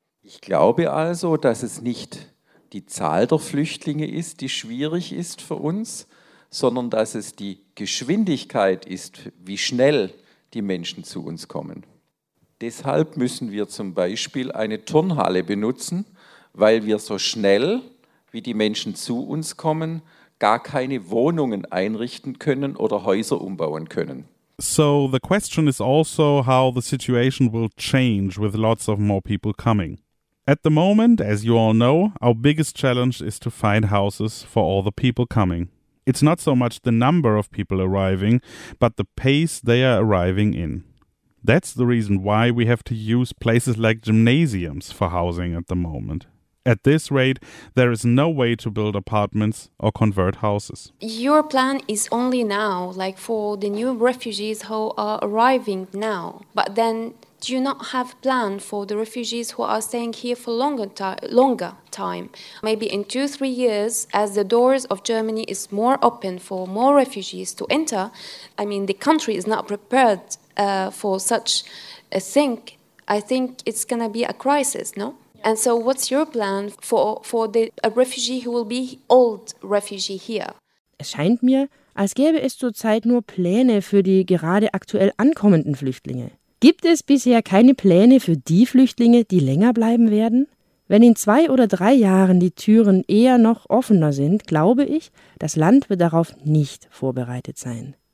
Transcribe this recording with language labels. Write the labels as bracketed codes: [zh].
[de] Ich glaube also, dass es nicht die Zahl der Flüchtlinge ist, die schwierig ist für uns, sondern dass es die Geschwindigkeit ist, wie schnell die Menschen zu uns kommen. Deshalb müssen wir zum Beispiel eine Turnhalle benutzen, weil wir so schnell, wie die Menschen zu uns kommen, gar keine Wohnungen einrichten können oder Häuser umbauen können. [en] So the question is also how the situation will change with lots of more people coming. At the moment, as you all know, our biggest challenge is to find houses for all the people coming. It's not so much the number of people arriving, but the pace they are arriving in. That's the reason why we have to use places like gymnasiums for housing at the moment. At this rate, there is no way to build apartments or convert houses. Your plan is only now, like for the new refugees who are arriving now. But then, do you not have a plan for the refugees who are staying here for longer time? Maybe in 2-3 years, as the doors of Germany is more open for more refugees to enter, I mean, the country is not prepared for such a thing, I think it's going to be a crisis, no? And so what's your plan for a refugee who will be old refugee here? [de] Es scheint mir, als gäbe es zurzeit nur Pläne für die gerade aktuell ankommenden Flüchtlinge. Gibt es bisher keine Pläne für die Flüchtlinge, die länger bleiben werden? Wenn in 2 oder 3 Jahren die Türen eher noch offener sind, glaube ich, das Land wird darauf nicht vorbereitet sein.